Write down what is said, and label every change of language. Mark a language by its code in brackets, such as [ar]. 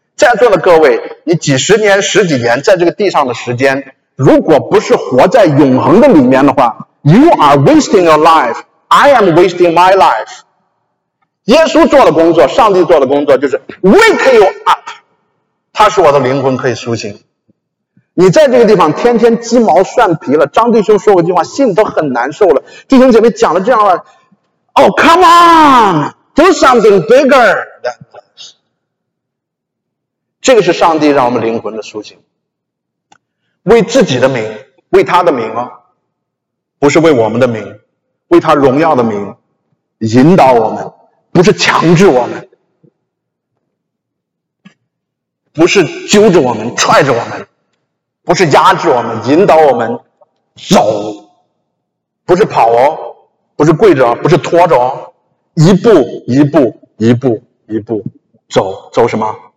[zh] 在座的各位，你几十年、十几年在这个地上的时间，如果不是活在永恒的里面的话 ， [en] You are wasting your life. I am wasting my life. [zh] 耶稣做的工作，上帝做的工作就是 [en] wake you up. [zh] 他使我的灵魂可以苏醒。你在这个地方天天鸡毛蒜皮了，张弟兄说过一句话，心里都很难受了。弟兄姐妹讲了这样了 ， [en] Oh come on, do something bigger than this. [zh] 这个是上帝让我们灵魂的苏醒。为自己的名，为他的名，不是为我们的名，为他荣耀的名，引导我们，不是强制我们，不是揪着我们，踹着我们，不是压制我们，引导我们走，不是跑哦，不是跪着，不是拖着，一步一步一步一步走，走什么？